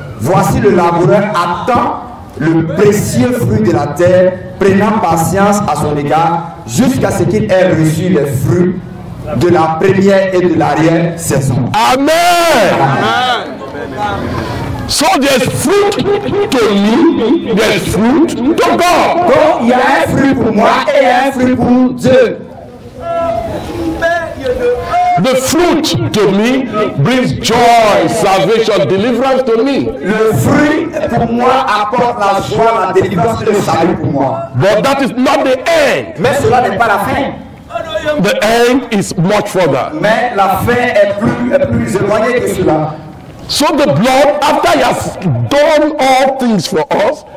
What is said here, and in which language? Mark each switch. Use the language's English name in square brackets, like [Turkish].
[French] Voici le laboureur attend le précieux fruit de la terre, prenant patience à son égard, jusqu'à ce qu'il ait reçu les fruits de la première et de l'arrière saison. Amen. Sont des fruits de lui, des fruits de God. Donc il y a un fruit pour moi et un fruit pour Dieu. [English] The fruit to me brings joy, salvation, deliverance to me. [French] Le fruit pour moi apporte la joie, la délivrance et le salut pour moi. [English] But that is not the end. [French] Mais cela n'est pas la fin. [English] The end is much further. [French] Mais la fin est plus éloignée que cela. [English] So the blood, after he has done all things for us,